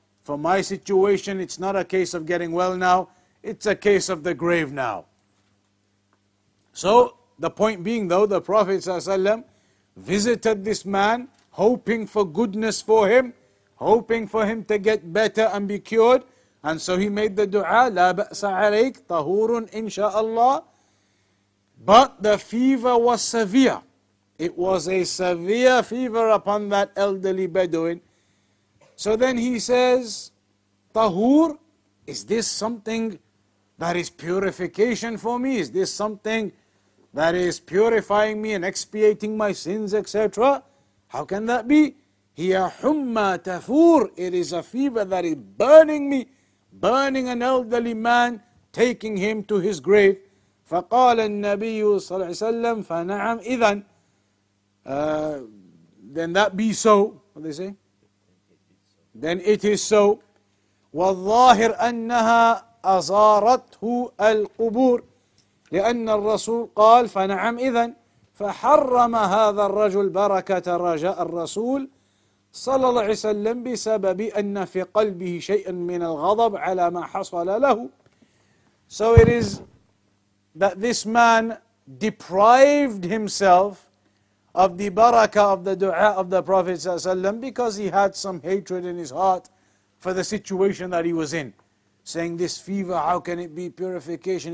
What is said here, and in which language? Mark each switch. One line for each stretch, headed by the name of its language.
English: For my situation, it's not a case of getting well now, it's a case of the grave now. So, the point being though, the Prophet ﷺ visited this man, hoping for goodness for him, hoping for him to get better and be cured. And so he made the dua,
Arabic: لا بأس عليك طهور إن شاء الله.
English: But the fever was severe. It was a severe fever upon that elderly Bedouin. So then he says, طهور, is this something that is purification for me? Is this something that is purifying me and expiating my sins, etc.? How can that be?
Arabic: هِيَ حُمَّ تَفُور,
English: it is a fever that is burning me, burning an elderly man, taking him to his grave.
Arabic: فَقَالَ النَّبِيُّ صَلَّى اللَّهُ عَلَيْهِ وَسَلَّمَ فَنَعَمْ إِذًا,
English: then that be so. What they say? Then it is so.
Arabic: وَالظَّاهِرْ أَنَّهَا أَزَارَتْهُ الْقُبُورِ لِأَنَّ الرَّسُولَ قَالَ فَنَعَمْ إِذًا فَحَرَّمَ هَذَا الرَّجُلُ بَرَكَةَ رَجَاءَ الرَّسُولِ صلى الله عليه وسلم بسبب أن في قلبه شيء من الغضب على ما حصل له.
English: So it is that this man deprived himself of the barakah of the dua of the Prophet ﷺ because he had some hatred in his heart for the situation that he was in, saying, this fever, how can it be purification?